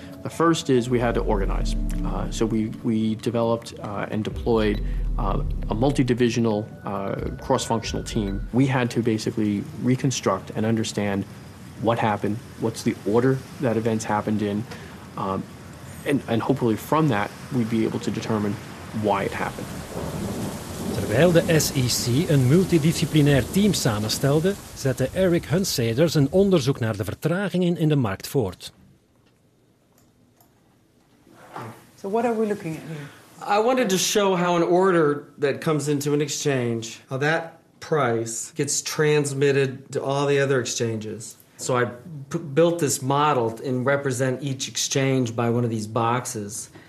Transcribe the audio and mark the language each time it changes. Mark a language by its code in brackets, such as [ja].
[en] The first is we had to organize. So we developed and deployed a multi-divisional, cross-functional team. We had to basically reconstruct and understand what happened, what's the order that events happened in, and hopefully from that, we'd be able to determine why it happened. [nl] Terwijl de SEC een multidisciplinair team samenstelde, zette Eric Hunsader zijn onderzoek naar de vertragingen in de markt voort. [en] So what are we looking at here? I wanted to show how an order that comes into an exchange, how that price gets transmitted to all the other exchanges. So I built this model and represent each exchange by one of these boxes.